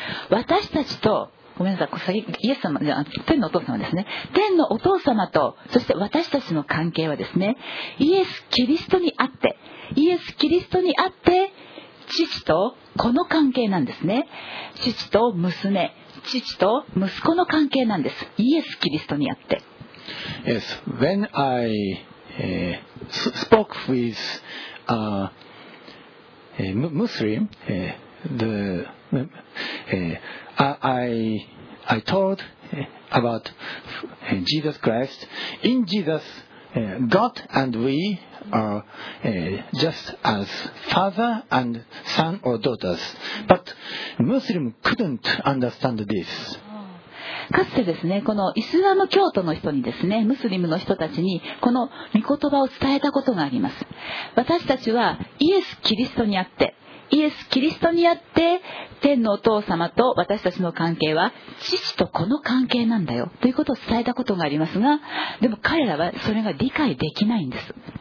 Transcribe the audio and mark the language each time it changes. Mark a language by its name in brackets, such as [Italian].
[Japanese] 私たちと、ごめんなさい、イエス様、じゃあ天のお父様ですね、天のお父様とそして私たちの関係はですね、イエス・キリストにあって、イエス・キリストにあって父と子の関係なんですね。父と娘、父と息子の関係なんです。イエス・キリストにあって。 [English] Yes, when I spoke with a Muslim, theI told about Jesus Christ. In Jesus, God and we are just as father and son or daughters. But Muslim couldn't understand this. [Japanese] かつてですね、このイスラム教徒の人にですね、ムスリムの人たちにこの御言葉を伝えたことがあります。私たちはイエス・キリストにあって、イエス・キリストにあって天のお父様と私たちの関係は父と子の関係なんだよということを伝えたことがありますが、でも彼らはそれが理解できないんです。